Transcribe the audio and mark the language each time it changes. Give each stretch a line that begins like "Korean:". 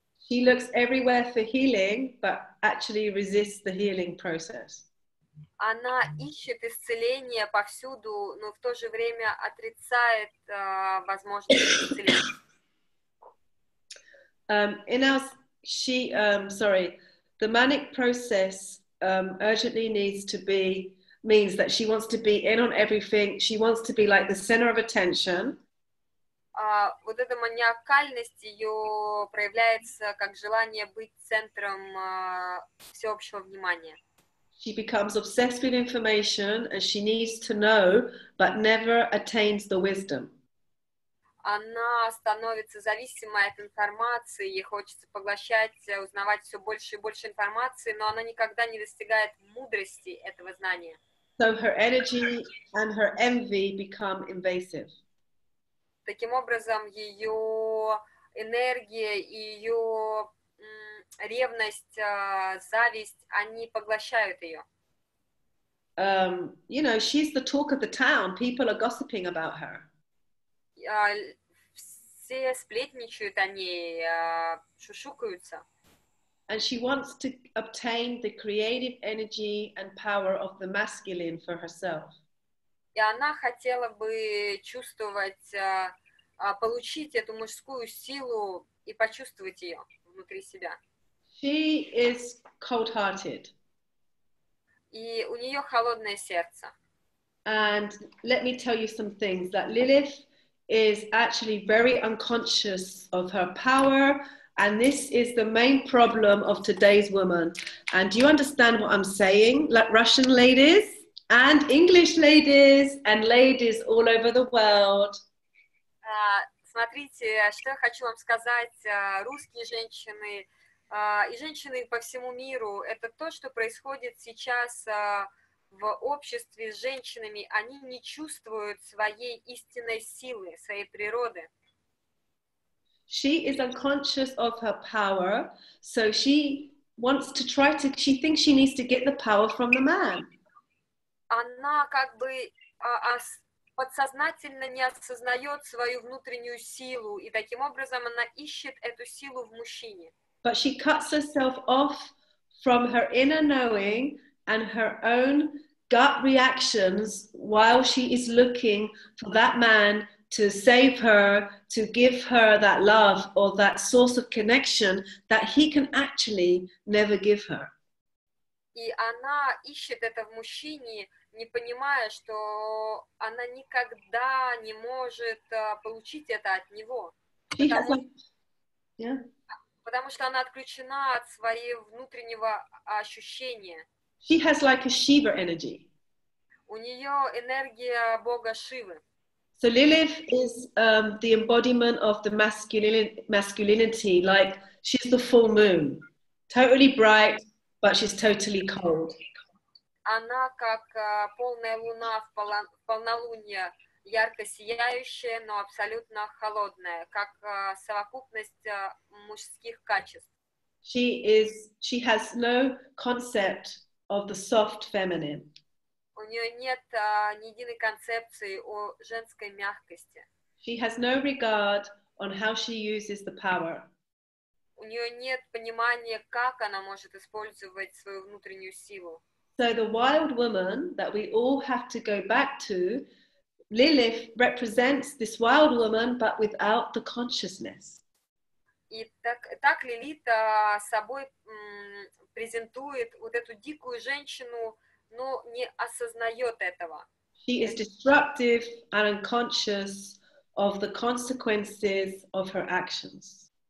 English: She looks everywhere for healing, but actually resists the healing process.
Russian: Она ищет исцеление повсюду, но в то же время отрицает возможность исцеления.
English: The manic process urgently needs to be, means that she wants to be in on everything. She wants to be like the center of attention.
Russian: Вот эта маниакальность ее проявляется как желание быть центром всеобщего внимания.
English: She becomes obsessed with information and she needs to know, but never attains the wisdom.
Russian: Она становится зависимой от информации, ей хочется поглощать, узнавать все больше и больше информации, но она никогда не достигает мудрости этого знания.
English: So her energy and her envy become invasive.
Russian: Таким образом, ее энергия и ее ревность, зависть, они поглощают ее.
English: You know, she's the talk of the town. People are gossiping about her.
Russian: Все сплетничают о ней, шушукаются.
English: And she wants to obtain the creative energy and power of the masculine for herself.
Russian: И она хотела бы чувствовать, получить эту мужскую силу и почувствовать ее внутри себя.
English: She is cold-hearted.
Russian: И у нее холодное сердце.
English: And let me tell you some things that Lilith is actually very unconscious of her power, and this is the main problem of today's woman. And do you understand what I'm saying? Like Russian ladies and English ladies and ladies all over the world.
Russian: Смотрите, что я хочу вам сказать, русские женщины и женщины по всему миру, это то, что происходит сейчас в обществе с женщинами, они не чувствуют своей истинной силы, своей природы.
English: She is unconscious of her power, so she wants to try to, she thinks she needs to get the power from the man.
Russian: Она как бы подсознательно не осознает свою внутреннюю силу, и таким образом она ищет эту силу в мужчине.
English: But she cuts herself off from her inner knowing and her own gut reactions while she is looking for that man to save her, to give her that love or that source of connection that he can actually never give her.
Russian: И она ищет это в мужчине, не понимая, что она никогда не может получить это от него. Потому что она отключена от своего внутреннего ощущения.
English: She has like a Shiva energy.
Russian: У нее энергия бога Шивы.
English: So Lilith is the embodiment of the masculinity, like she's the full moon. Totally bright, but she's totally cold.
Russian: Она как полная луна в полнолуние, ярко сияющая, но абсолютно холодная, как совокупность мужских качеств.
English: She has no concept of the soft feminine.
Russian: У неё нет ни единой концепции о женской мягкости.
English: She has no regard on how she uses the power.
Russian: У неё нет понимания, как она может использовать свою внутреннюю силу.
English: So the wild woman that we all have to go back to, Lilith represents this wild woman, but without the consciousness.
Russian: И так Лилит собой презентует вот эту дикую женщину, но не осознает этого.
English: She is destructive and unconscious of the consequences of her actions.